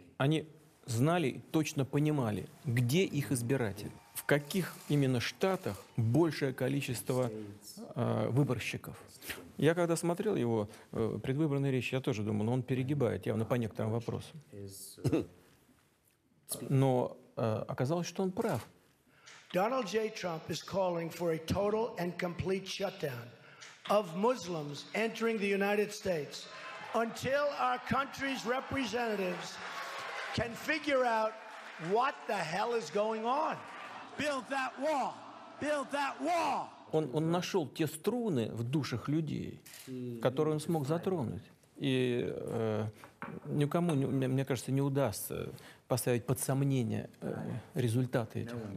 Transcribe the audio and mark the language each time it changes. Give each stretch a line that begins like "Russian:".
Russian: Они знали, точно понимали, где их избиратели, в каких именно штатах большее количество выборщиков. Я когда смотрел его предвыборные речи, я тоже думал, ну он перегибает явно по некоторым вопросам. Но оказалось, что он прав.
English: Donald J. Trump is calling for a total and complete shutdown of Muslims entering the United States until our country's representatives can figure out what the hell is going on. Build that wall. Build that wall.
Russian: Он нашел те струны в душах людей, которые он смог затронуть. И никому, мне кажется, не удастся поставить под сомнение результаты этих.